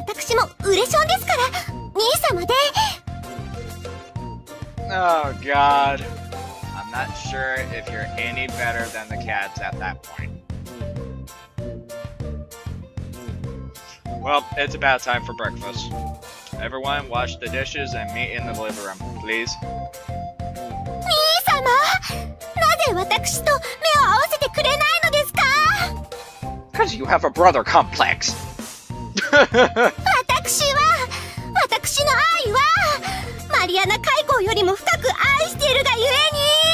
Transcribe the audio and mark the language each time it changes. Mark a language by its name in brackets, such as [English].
[Japanese] 私もウレションですから、兄様で。 [English] Oh God, I'm not sure if you're any better than the cats at that point. Well, it's about time for breakfast. Everyone, wash the dishes and meet in the living room, please. [Japanese] 兄様、なぜ私と目を合わせてくれないのですか？ [English] Because you have a brother complex. [Japanese] 私の愛は、マリアナ海溝よりも深く愛しているがゆえに。